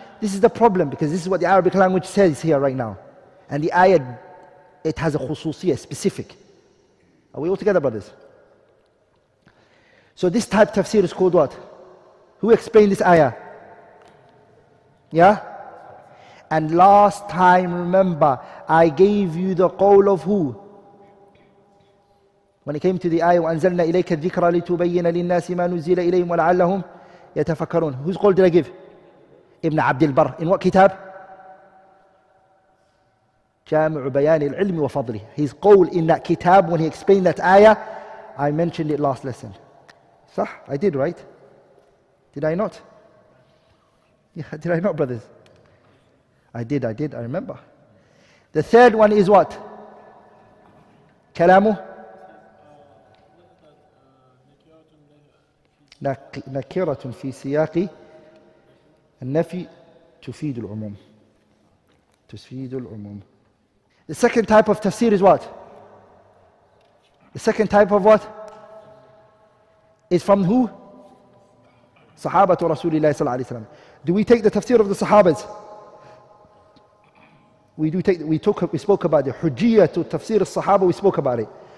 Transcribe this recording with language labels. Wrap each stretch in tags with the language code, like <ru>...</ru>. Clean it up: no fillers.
<en>This is the problem, because this is what the Arabic language says here right now. And the ayah, it has a khususiyah, specific. Are we all together, brothers? So this type of tafsir is called what? Who explained this ayah? Yeah? And last time, remember, I gave you the qawl of who? When it came to the ayah,</en> <ar>وَأَنْزَلْنَا إِلَيْكَ الذِّكْرَ لِتُبَيِّنَ لِلنَّاسِ مَا نُزِّلَ إِلَيْهِمْ وَلَعَلَّهُمْ يَتَفَكَّرُونَ.</ar> <en>Whose qawl did I give? Ibn Abd al-Barr. In what kitab? Jami'u Bayani al-Ilmi wa Fadli. His qawl in that kitab, when he explained that ayah, I mentioned it last lesson. Sah? I did, right? Did I not? Yeah, did I not, brothers? I did, I remember. The third one is what? Kalamu?</en> <ar>Nakiratun fi siyaqi. النفي تفيد العموم تفيد العموم.</ar> <en>The second type of tafsir is what? The second type of what? Is from who? Sahaba to Rasulullah sallallahu alayhi wa sallam. Do we take the tafsir of the Sahabas? We spoke about the Hujjiyah to tafsir of Sahaba, we spoke about it.</en>